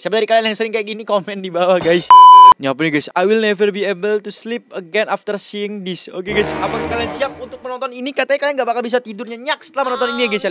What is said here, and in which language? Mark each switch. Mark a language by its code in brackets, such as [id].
[id] Siapa dari kalian yang sering kayak gini komen di bawah guys. Ini apa nih guys? [en] I will never be able to sleep again after seeing this. [id] Oke guys, apakah kalian siap untuk menonton ini? Katanya kalian gak bakal bisa tidur nyenyak setelah menonton ini ya guys ya.